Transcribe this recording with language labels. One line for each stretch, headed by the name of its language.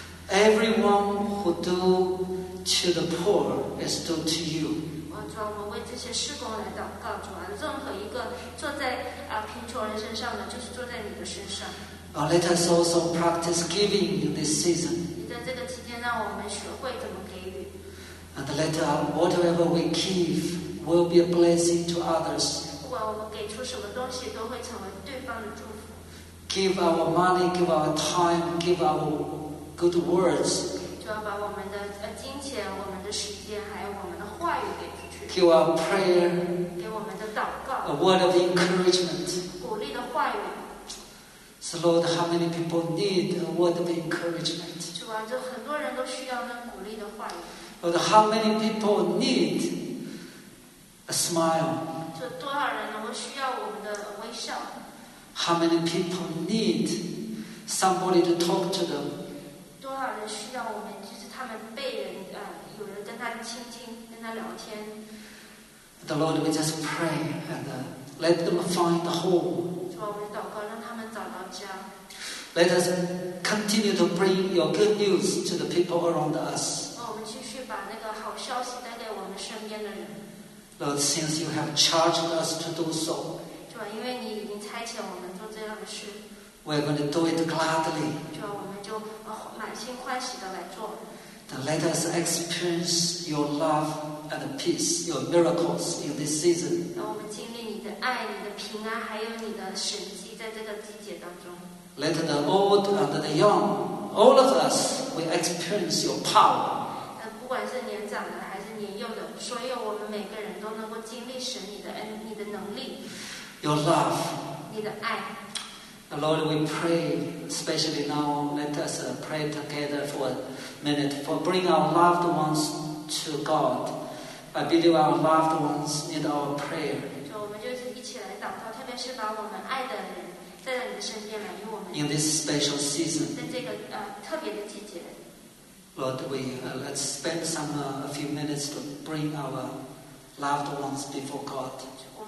English: Everyone who do to the poor is do to you.
Chinese: 主啊，我为这些事工来祷告。主啊，任何一个坐在贫穷人身上的，就是坐在你的身上。
English: Let us also practice giving in this season.
Chinese: 在这个期间，让我们学会怎么给予。
English: And let whatever we give will be a blessing to others.
Chinese: 不管我们给出什么东西，都会成为对方的祝福。
English: Give our money, give our time, give our good words.
Chinese: 就要把我们的金钱、我们的时间，还有我们的话语给出去。
English: Give our prayer.
Chinese: 给我们的祷告。
English: A word of encouragement.
Chinese: 鼓励的话语。
English: So Lord, how many people need a word of encouragement?
Chinese: 主啊，就很多人都需要那鼓励的话语。
English: Lord, how many people need a smile?
Chinese: 就多少人能够需要我们的微笑？
English: How many people need somebody to talk to them?
Chinese: 多少人需要我们就是他们被人有人跟他亲近跟他聊天。
English: The Lord, we just pray and let them find a home.
Chinese: 主啊，我们祷告让他们找到家。
English: Let us continue to bring your good news to the people around us.
Chinese: 我们继续把那个好消息带给我们身边的人。
English: Lord, since you have charged us to do so.
Chinese: 因为你已经差遣我们做这样的事
English: We're going to do it gladly
Chinese: 就我们就满心欢喜的来做
English: Then let us experience your love and peace Your miracles in this season
Chinese: 让我们经历你的爱你的平安还有你的神迹在这个季节当中
English: Let the old and the young All of us We experience your power
Chinese: 不管是年长的还是年幼的所有我们每个人都能够经历神你的恩你的能力
English: Your love.
Chinese: 你的爱
English: Lord, we pray, especially now, let us pray together for a minute, for bring our loved ones to God. I believe our loved ones need our prayer.
Chinese: 主，我们就是一起来祷告，特别是把我们爱的人带到你的身边来，与我们。
English: In this special season.
Chinese: 在这个特别的季节。
English: Lord, we let's spend a few minutes to bring our loved ones before God.
Chinese: 我们